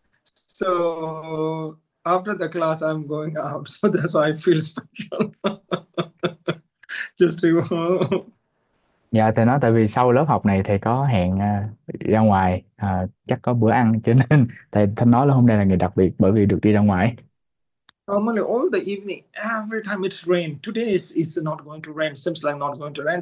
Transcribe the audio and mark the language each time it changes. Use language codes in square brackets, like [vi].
[en] So after the class, I'm going out. So that's why I feel special. Just to [vi] Dạ, thầy nói tại vì sau lớp học này thầy có hẹn ra ngoài, chắc có bữa ăn, cho nên thầy nói là hôm nay là ngày đặc biệt bởi vì được đi ra ngoài. [en] Normally all the evening, every time it rain. Today is not going to rain. Seems like not going to rain.